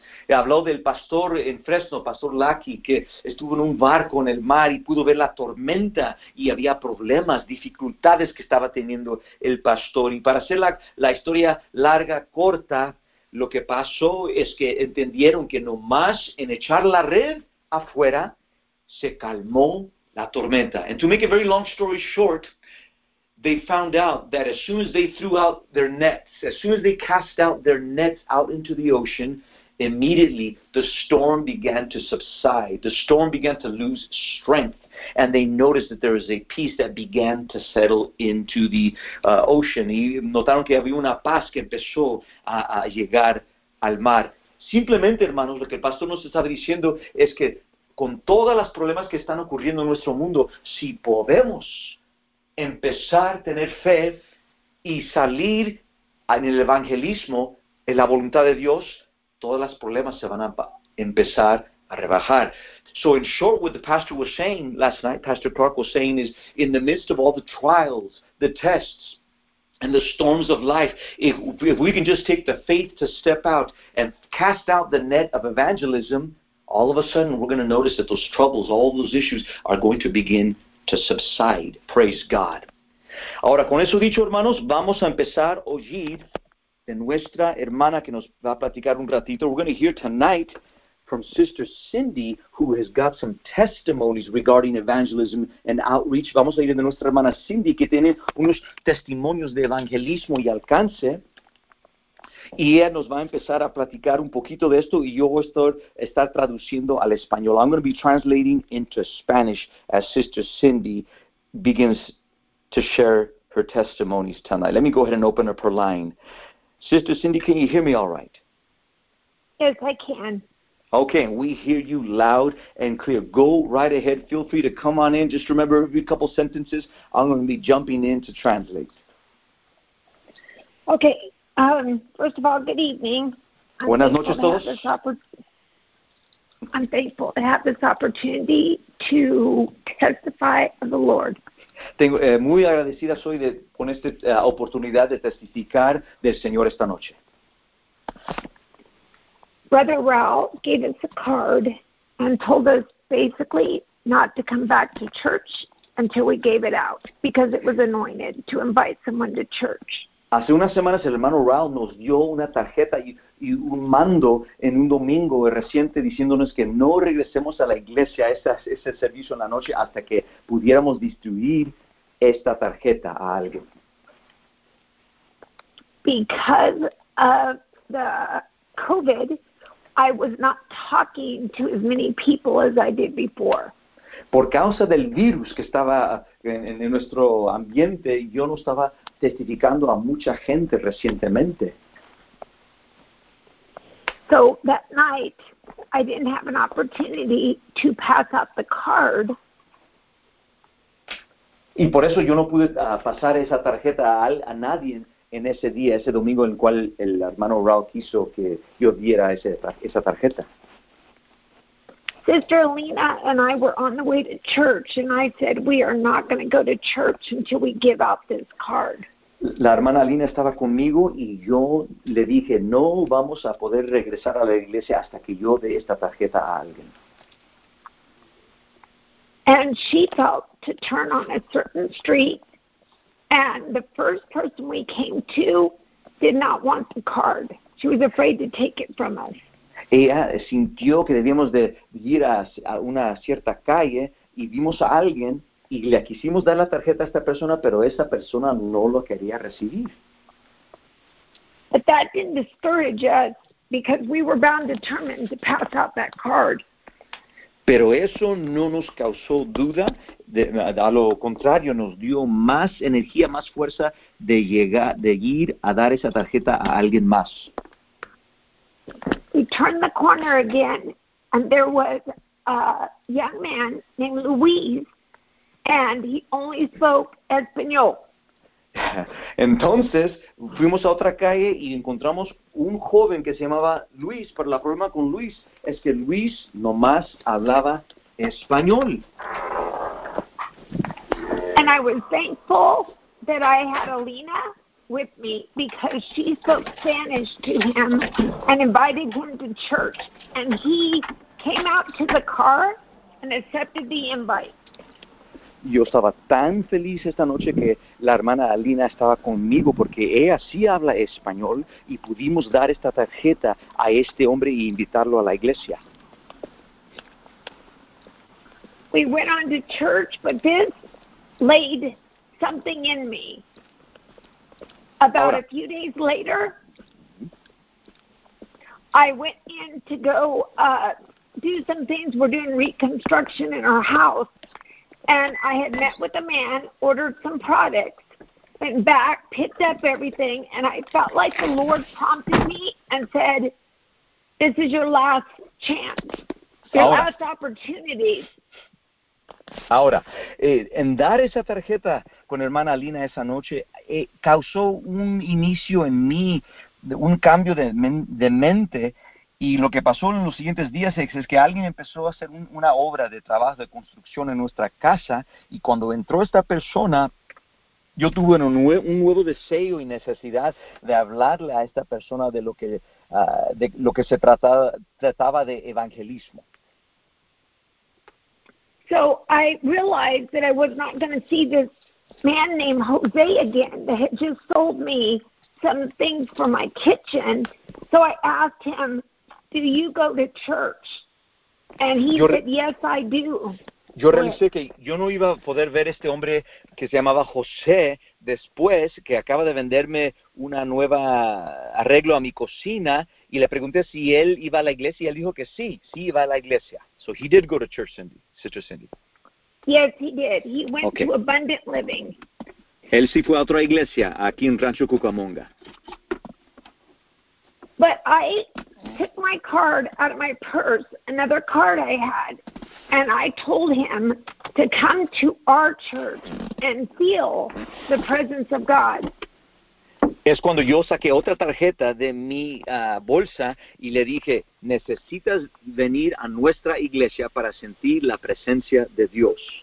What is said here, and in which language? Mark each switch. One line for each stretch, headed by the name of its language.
Spanish: Y habló del pastor en Fresno, Pastor Lackey, que estuvo en un barco en el mar y pudo ver la tormenta y había problemas, dificultades que estaba teniendo el pastor. Y para hacer la historia larga, corta, lo que pasó es que entendieron que nomás en echar la red afuera se calmó la tormenta.
English: And to make a very long story short, they found out that as soon as they threw out their nets, as soon as they cast out their nets out into the ocean, immediately the storm began to subside. The storm began to lose strength. And they noticed that there was a peace that began to settle into the ocean.
Spanish: Y notaron que había una paz que empezó a llegar al mar. Simplemente, hermanos, lo que el pastor nos estaba diciendo es que con todos los problemas que están ocurriendo en nuestro mundo, si podemos empezar a tener fe y salir en el evangelismo, en la voluntad de Dios, todos los problemas se van a empezar a rebajar.
English: So in short, what the pastor was saying last night, Pastor Clark was saying, is in the midst of all the trials, the tests, and the storms of life, if we can just take the faith to step out and cast out the net of evangelism, all of a sudden we're going to notice that those troubles, all those issues are going to begin to subside. Praise God.
Spanish: Ahora, con eso dicho, hermanos, vamos a empezar a oír de nuestra hermana que nos va a platicar un ratito.
English: We're going to hear tonight from Sister Cindy, who has got some testimonies regarding evangelism and outreach.
Spanish: Vamos a ir de nuestra hermana Cindy, que tiene unos testimonios de evangelismo y alcance. Y ella nos va a empezar a platicar un poquito de esto, y yo voy a estar traduciendo al español.
English: I'm going to be translating into Spanish as Sister Cindy begins to share her testimonies tonight. Let me go ahead and open up her line. Sister Cindy, can you hear me all right? Yes, I can. Okay, we hear you loud and clear. Go right ahead. Feel free to come on in. Just remember every couple sentences, I'm going to be jumping in to translate. Okay. First of all, good evening.
Spanish: Buenas noches a todos.
English: I'm thankful to have this opportunity to testify of the Lord.
Spanish: Tengo muy agradecida soy de con esta oportunidad de testificar del Señor esta noche.
English: Brother Raul gave us a card and told us basically not to come back to church until we gave it out because it was anointed to invite someone to church.
Spanish: Hace unas semanas el hermano Raul nos dio una tarjeta y un mando en un domingo reciente diciéndonos que no regresemos a la iglesia ese servicio en la noche hasta que pudiéramos distribuir esta tarjeta a alguien.
English: Because of the COVID, I was not talking to as many people as I did before.
Spanish: Por causa del virus que estaba en nuestro ambiente, yo no estaba testificando a mucha gente recientemente.
English: So that night, I didn't have an opportunity to pass out the card.
Spanish: Y por eso yo no pude pasar esa tarjeta a nadie en ese día, ese domingo en el cual el hermano Raul quiso que yo diera esa tarjeta.
English: Sister Lena and I were on the way to church, and I said, we are not going to go to church until we give out this card.
Spanish: La hermana Lena estaba conmigo, y yo le dije, no vamos a poder regresar a la iglesia hasta que yo dé esta tarjeta a alguien.
English: And she felt to turn on a certain street, and the first person we came to did not want the card. She was afraid to take it from us.
Spanish: Ella sintió que debíamos de ir a una cierta calle y vimos a alguien y le quisimos dar la tarjeta a esta persona, pero esa persona no lo quería recibir.
English: But that didn't discourage us because we were bound determined to pass out that card.
Spanish: Pero eso no nos causó duda, a lo contrario, nos dio más energía, más fuerza de llegar, de ir a dar esa tarjeta a alguien más.
English: We turned the corner again, and there was a young man named Luis, and he only spoke español.
Spanish: Entonces, fuimos a otra calle y encontramos un joven que se llamaba Luis, pero el problema con Luis es que Luis nomás hablaba español.
English: And I was thankful that I had Alina with me because she spoke Spanish to him and invited him to church, and he came out to the car and accepted the invite.
Spanish: Yo estaba tan feliz esta noche que la hermana Alina estaba conmigo porque ella sí habla español y pudimos dar esta tarjeta a este hombre y invitarlo a la iglesia.
English: We went on to church, but this laid something in me. About a few days later, I went in to go do some things. We're doing reconstruction in our house. And I had met with a man, ordered some products, went back, picked up everything, and I felt like the Lord prompted me and said, this is your last chance, last opportunity.
Spanish: Ahora, en dar esa tarjeta con hermana Lina esa noche, causó un inicio en mí, un cambio de mente. Y lo que pasó en los siguientes días es que alguien empezó a hacer una obra de trabajo de construcción en nuestra casa, y cuando entró esta persona, yo tuve un nuevo deseo y necesidad de hablarle a esta persona de lo que se trataba de evangelismo.
English: So I realized that I was not going to see this man named Jose again that had just sold me some things for my kitchen. So I asked him, do you go to church? And he said, yes, I do.
Spanish: Yo realicé que yo no iba a poder ver este hombre que se llamaba José después, que acaba de venderme una nueva arreglo a mi cocina, y le pregunté si él iba a la iglesia, y él dijo que sí, sí iba a la iglesia.
English: So he did go to church, Cindy, Sister Cindy. Yes, he did. He went to Abundant Living.
Spanish: Él sí fue a otra iglesia, aquí en Rancho Cucamonga.
English: But I took my card out of my purse, another card I had, and I told him to come to our church and feel the presence of God.
Spanish: Es cuando yo saqué otra tarjeta de mi bolsa y le dije, necesitas venir a nuestra iglesia para sentir la presencia de Dios.